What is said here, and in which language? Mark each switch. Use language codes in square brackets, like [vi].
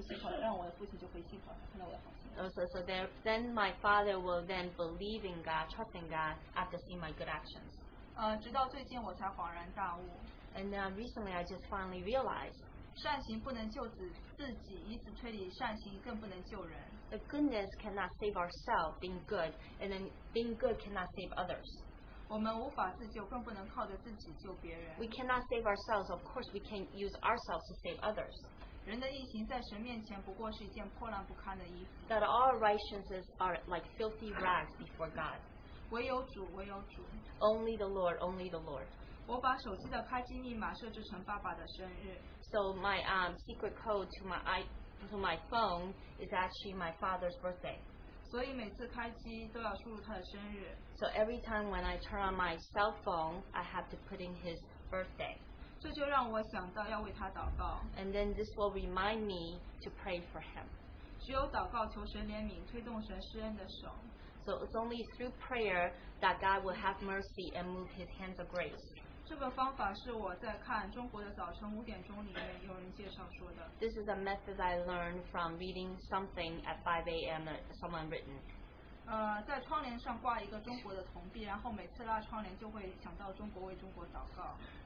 [zh] 然后可以信靠他，让我的父亲就可以信靠他，看到我的好行为。 [en] So there, then my father will then believe in God, trust in God after seeing my good actions. [zh] 直到最近我才恍然大悟。 [en] And then recently I just finally realized. [zh] 善行不能救自己，以此推理，善行更不能救人。 [en] The goodness cannot save ourselves, being good, and then being good cannot save others. [zh] 我们无法自救，更不能靠着自己救别人。 [en] We cannot save ourselves, of course we can use ourselves to save others. [zh] 人的义行在神面前不过是一件破烂不堪的衣服。 [en] That all righteousness are like filthy rags before God. [zh] 唯有主，唯有主。 [en] Only the Lord, only the Lord. [zh] 我把手机的开机密码设置成爸爸的生日。 [en] So my secret code to my phone is actually my father's birthday. [zh] 所以每次开机都要输入他的生日。 [en] So every time when I turn on my cell phone, I have to put in his birthday. [zh] 这就让我想到要为他祷告。 [en] And then this will remind me to pray for him. [zh] 只有祷告求神怜悯，推动神施恩的手。 [en] So it's only through prayer that God will have mercy and move his hands of grace. [zh] 这个方法是我在看中国的早晨五点钟里面有人介绍说的。 [en] This is a method I learned from reading something at 5 a.m. someone written. [zh] 在窗帘上挂一个中国的铜币, 然后每次拉窗帘就会想到中国为中国祷告。